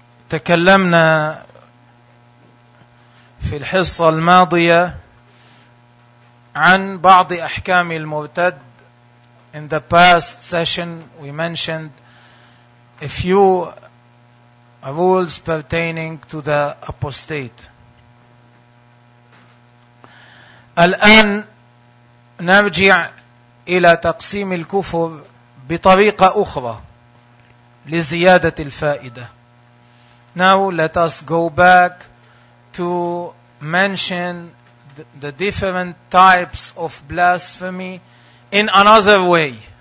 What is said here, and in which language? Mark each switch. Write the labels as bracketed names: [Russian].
[Arabic] تكلمنا في الحصة الماضية عن بعض أحكام المرتد. [English] In the past session we mentioned a few rules pertaining to the apostate. [Arabic] الآن نرجع إلى تقسيم الكفر بطريقة أخرى لزيادة الفائدة. [English] Now let us go back to mention the different types of blasphemy in another way.